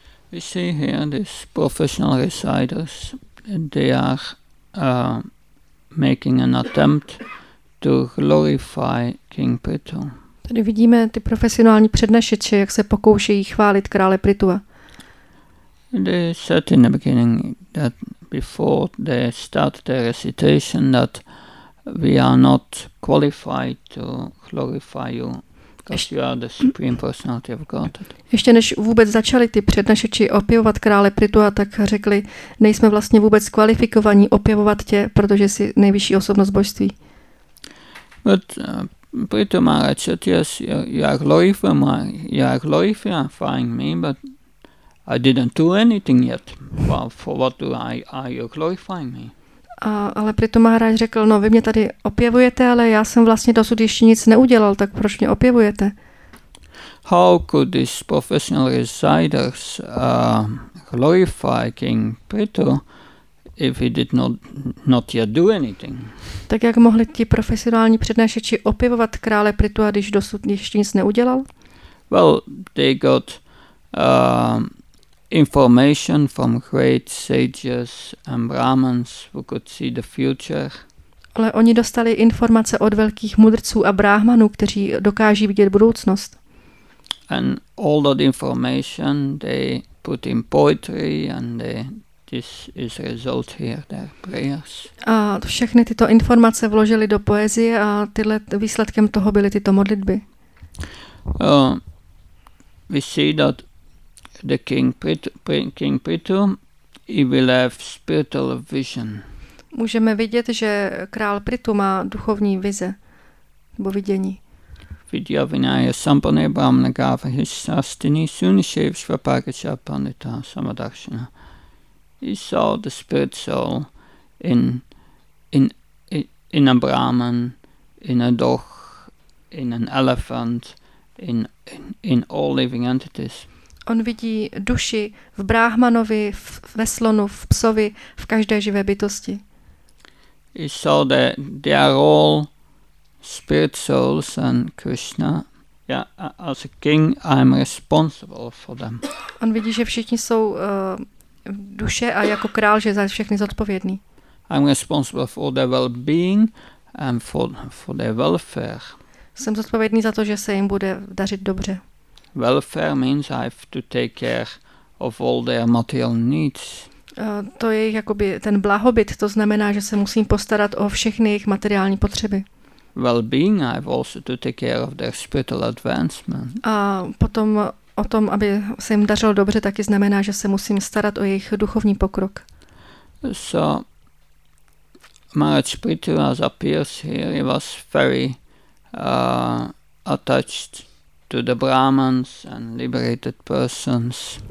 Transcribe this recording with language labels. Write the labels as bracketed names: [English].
[English] We see here these professional reciters, they are making an attempt to glorify King Prithu. [Czech] Tady vidíme ty profesionální přednášeči, jak se pokoušejí chválit krále Prithua. [English] They said in the beginning that before they start their recitation that we are not qualified to glorify you because you are the Supreme Personality of Godhead. [Czech] Ještě než vůbec začali ty přednášeči opěvovat krále Prithua, tak řekli, nejsme vlastně vůbec kvalifikovaní opěvovat tě, protože jsi nejvyšší osobnost božství. [English] But Prithu Maharaj said, yes, you are glorifying me, but I didn't do anything yet. Well, for what do I are you glorifying me? [Czech] Ale Prithu Maharaj řekl, no vy mě tady opěvujete, ale já jsem vlastně dosud ještě nic neudělal, tak proč mě opěvujete? [English] How could these professional reciters glorify King Prithu if he did not yet do anything? [Czech] Tak jak mohli ti profesionální přednášeči opěvovat krále Prithua, když dosud ještě nic neudělal? [English] Well, they got information from great sages and brahmins who could see the future. [Czech] Ale oni dostali informace od velkých mudrců a brahmanů, kteří dokáží vidět budoucnost. [English] And all that information they put in poetry and this is result here, their prayers. [Czech] A všechny tyto informace vložili do poezie a tyhle výsledkem toho byly tyto modlitby. [English] We see that the King Prithu, he will have spiritual vision. [Czech] Můžeme vidět, že král Prithu má duchovní vize, nebo vidění. [Sanskrit] Vidya vinaya sampane brahmana gava hisastini sunishev svapakacha pandita samadarshana. [English] He saw the spirit soul in a brahman, in a dog, in an elephant, in all living entities. [Czech] On vidí duši v Bráhmanovi, ve slonu, v psovi, v každé živé bytosti. [English] He saw that they are all spirit souls and Krishna. Yeah, as a king, I'm responsible for them. [Czech] On vidí, že všichni jsou duše a jako král, že za všechny zodpovědný. [English] I'm responsible for their well-being and for their welfare. [Czech] Jsem zodpovědný za to, že se jim bude dařit dobře. [English] Welfare means I have to take care of all their material needs. [Czech] To je jakoby ten blahobyt, to znamená, že se musím postarat o všechny jejich materiální potřeby. [English] Well-being, I have also to take care of their spiritual advancement. [Czech] A potom o tom, aby se jim dařilo dobře, taky znamená, že se musím starat o jejich duchovní pokrok. [English] So, Marat Spritua appears here, he was very attached to the Brahmans and liberated persons.